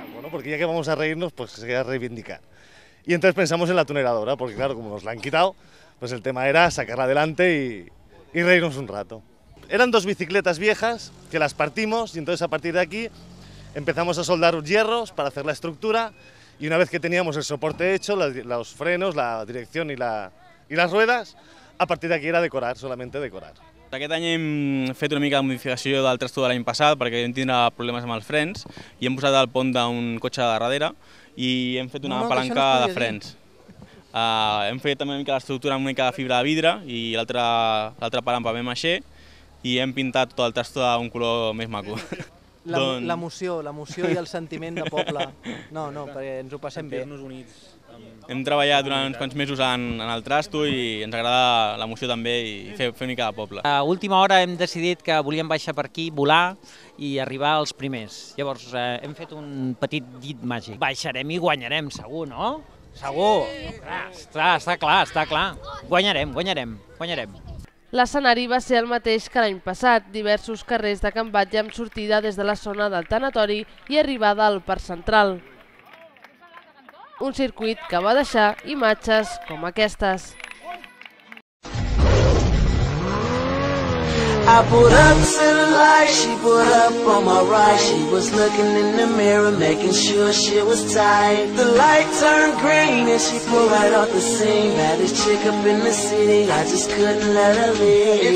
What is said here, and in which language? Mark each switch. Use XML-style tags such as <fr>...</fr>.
<es>Porque ya que vamos a reírnos, pues se queda reivindicar. Y entonces pensamos en la tuneladora, porque claro, como nos la han quitado, pues el tema era sacarla adelante y reírnos un rato. Eran dos bicicletas viejas que las partimos y entonces a partir de aquí empezamos a soldar hierros para hacer la estructura y una vez que teníamos el soporte hecho, los frenos, la dirección y las ruedas, a partir de aquí era decorar, solamente decorar.</es> <ca>Aquest any hem fet una mica de modificació del trasto de l'any passat perquè vam tindre problemes amb els frens i hem posat el pont d'un cotxe de darrere i hem fet una palanca de frens. Hem fet també una mica l'estructura amb una mica de fibra de vidre i l'altra part amb paper maixer i hem pintat tot el trasto d'un color més maco. L'emoció i el sentiment de poble. No, perquè ens ho passem bé. Hem treballat durant uns quants mesos en el trasto i ens agrada l'emoció també i fer una mica de poble. A última hora hem decidit que volíem baixar per aquí, volar i arribar als primers. Llavors hem fet un petit dit màgic. Baixarem i guanyarem, segur, no? Segur! Està clar. Guanyarem. L'escenari va ser el mateix que l'any passat, diversos carrers de Can Batlle amb sortida des de la zona del tanatori i arribada al Parc Central. Un circuit que va deixar imatges com aquestes.</ca> <en>I put up some light, she put up on my right. She was looking in the mirror, making sure she was tight. The light turned green and she pulled right off the scene. Baddest chick up in the city, I just couldn't let her leave.</en>